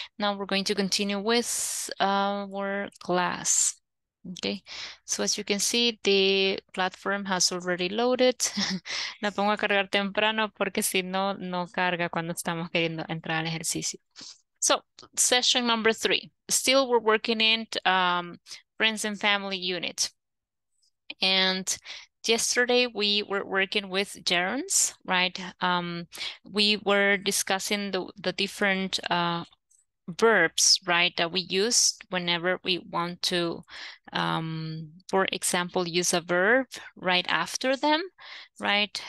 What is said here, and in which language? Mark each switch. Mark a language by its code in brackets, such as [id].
[en] Now we're going to continue with our class. Okay. So as you can see, the platform has already loaded. [es] La pongo a cargar temprano porque si no, no carga cuando estamos queriendo entrar al ejercicio. [en] So, session number 3. Still we're working in friends and family unit. And yesterday we were working with gerunds, right? We were discussing the different verbs, right, that we use whenever we want to, for example, use a verb right after them, right?